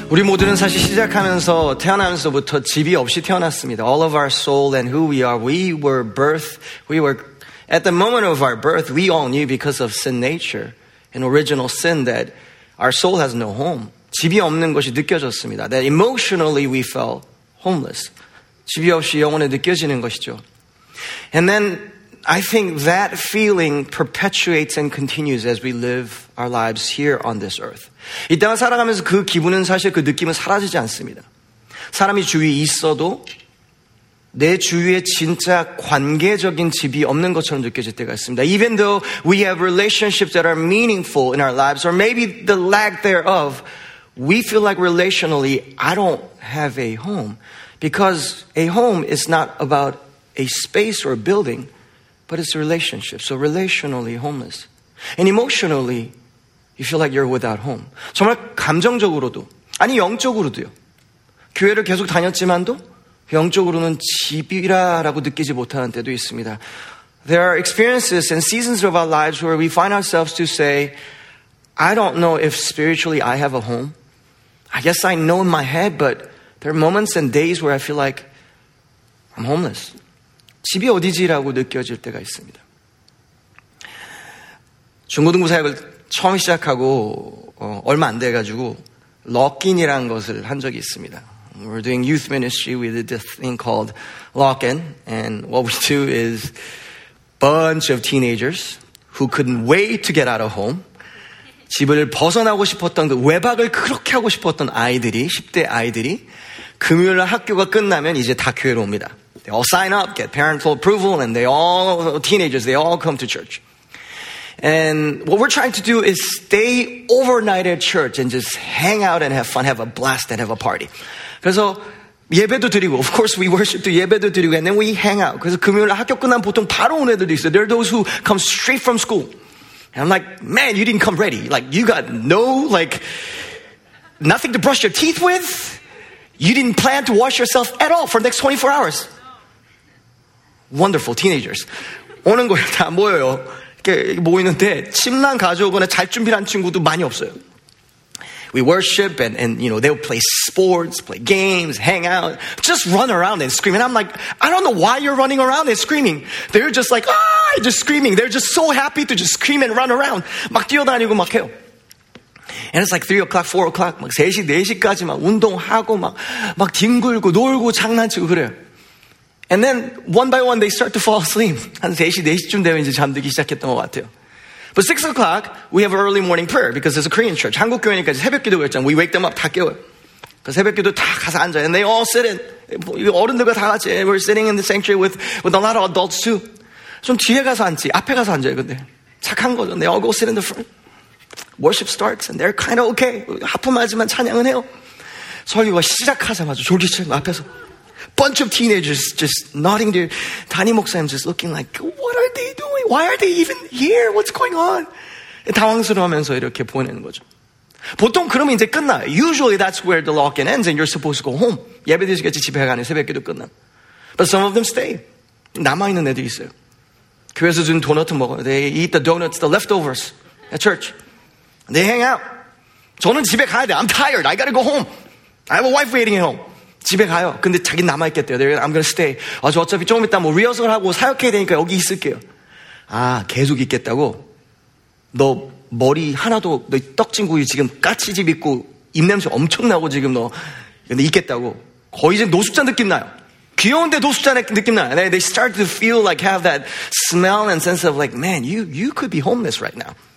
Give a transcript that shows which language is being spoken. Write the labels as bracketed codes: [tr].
[ko] 우리는 사실 시작하면서 태어나면서부터 집이 없이 태어났습니다. [en] All of our soul and who we are, at the moment of our birth, we all knew because of sin nature, an original sin, that our soul has no home. [ko] 집이 없는 것이 느껴졌습니다. [en] That emotionally we felt homeless. [ko] 집이 없이 영혼에 느껴지는 것이죠. [en] And then I think that feeling perpetuates and continues as we live our lives here on this earth. [ko] 이 땅을 살아가면서 그 기분은 사실 그 느낌은 사라지지 않습니다. 사람이 주위에 있어도 내 주위에 진짜 관계적인 집이 없는 것처럼 느껴질 때가 있습니다. [en] Even though we have relationships that are meaningful in our lives, or maybe the lack thereof, we feel like relationally, I don't have a home. Because a home is not about a space or a building, but it's a relationship. So relationally homeless. And emotionally, you feel like you're without home. [ko] 정말 감정적으로도, 아니 영적으로도요. 교회를 계속 다녔지만도 영적으로는 집이라고 느끼지 못하는 때도 있습니다. [en] There are experiences and seasons of our lives where we find ourselves to say, I don't know if spiritually I have a home. I guess I know in my head, but there are moments and days where I feel like I'm homeless. [ko] 집이 어디지라고 느껴질 때가 있습니다. 중고등부 사역을 처음 시작하고 얼마 안 돼가지고 럭인이라는 것을 한 적이 있습니다. [en] We're doing youth ministry. We did this thing called lock-in. And what we do is bunch of teenagers who couldn't wait to get out of home. [ko] 집을 벗어나고 싶었던, 그 외박을 그렇게 하고 싶었던 아이들이, 10대 아이들이 금요일날 학교가 끝나면 이제 다 교회로 옵니다. [en] They all sign up, get parental approval, and they all, teenagers, they all come to church. And what we're trying to do is stay overnight at church and just hang out and have fun, have a blast and have a party. [ko] 그래서 예배도 드리고, [en] of course we worship too, [ko] 예배도 드리고, [en] and then we hang out. [ko] 그래서 금요일날 학교 끝나면 보통 바로 온 애들도 있어요. [en] There are those who come straight from school. And I'm like, man, you didn't come ready. Like, you got no, like, nothing to brush your teeth with. You didn't plan to wash yourself at all for the next 24 hours. Wonderful, teenagers. [ko] 오는 거예요, 다 모여요. 이렇게 모이는데 침낭 가져오거나 잘 준비한 친구도 많이 없어요. [en] We worship and you know, they'll play sports, play games, hang out, just run around and scream. And I'm like, I don't know why you're running around and screaming. They're just like, ah, just screaming. They're just so happy to just scream and run around. [ko] 막 뛰어다니고 막 해요. [en] And it's like 3 o'clock, 4 o'clock, [ko] 막 3시, 4시까지 막 운동하고 막 뒹굴고 놀고 장난치고 그래요. [en] And then one by one they start to fall asleep. [ko] 한 3시, 4시쯤 되면 이제 잠들기 시작했던 것 같아요. [en] But 6 o'clock, we have early morning prayer because it's a Korean church. [ko] 한국 교회니까 새벽 기도가 있잖아. [en] We wake them up, [ko] 다 깨워요. 그 새벽 기도 다 가서 앉아요. [en] And they all sit in. [ko] 어른들과 다 같이. [en] We're sitting in the sanctuary with a lot of adults too. [ko] 좀 뒤에 가서 앉지. 앞에 가서 앉아요, 근데. 착한 거죠. [en] They all go sit in the front. Worship starts and they're kind of okay. [ko] 하품하지만 찬양은 해요. 설교가 시작하자마자 졸기치는 거 앞에서. [en] Bunch of teenagers just nodding their, 담임 목사님 just looking like, what are they doing? Why are they even here? What's going on? [ko] 당황스러워하면서 이렇게 보내는 거죠. 보통 그러면 이제 끝나. [en] Usually that's where the lock-in ends and you're supposed to go home. [ko] 예배 드시겠지, 집에 가는 새벽 기도 끝나. [en] But some of them stay. [ko] 남아있는 애들 있어요. 교회에서 준 도넛 먹어요. [en] They eat the donuts, the leftovers at church. They hang out. [ko] 저는 집에 가야 돼. [en] I'm tired. I gotta go home. I have a wife waiting at home. [ko] 집에 가요. 근데 자기 남아있겠대요. [en] They're like, I'm gonna stay. [ko] 아, 저 어차피 조금 있다 뭐 리허설 하고 사역해야 되니까 여기 있을게요. 아, 계속 있겠다고? 너 머리 하나도, 너 떡진구이 지금 까치집 있고 입냄새 엄청나고 지금 너. 근데 있겠다고. 거의 이제 노숙자 느낌 나요. 귀여운데 노숙자 느낌 나요. [en] They start to feel like have that smell and sense of like, man, you could be homeless right now.